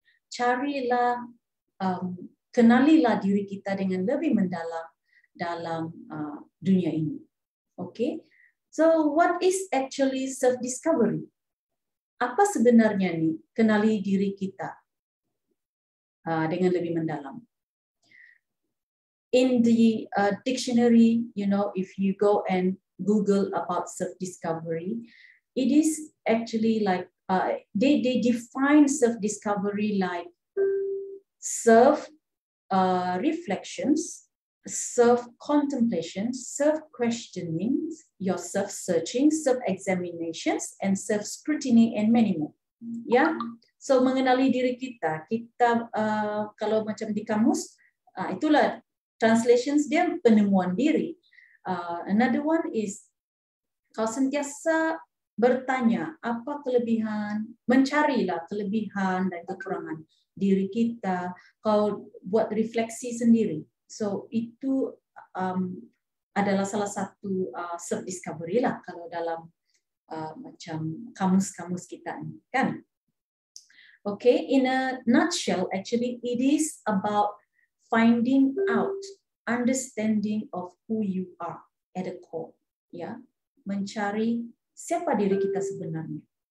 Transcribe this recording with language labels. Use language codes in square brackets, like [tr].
[ms] Carilah, kenalilah diri kita dengan lebih mendalam dalam dunia ini. Okay. [en] So what is actually self-discovery? [ms] Apa sebenarnya ni kenali diri kita dengan lebih mendalam? [en] In the dictionary, you know, if you go and Google about self-discovery, it is actually like they define self-discovery like self-reflections, self-contemplation, self-questioning, your self-searching, self-examinations, and self-scrutiny, and many more. [ms] Yeah. So mengenali diri kita, kita kalau macam di kamus, itulah translations dia, penemuan diri. [en] Another one is [ms] kau sentiasa bertanya apa kelebihan, mencarilah kelebihan dan kekurangan diri kita. Kau buat refleksi sendiri. So itu adalah salah satu self discovery lah kalau dalam macam kamus-kamus kita ni, kan? [en] Okay, in a nutshell, actually it is about finding out, understanding of who you are at the core, yeah? [ms] Mencari siapa diri kita sebenarnya.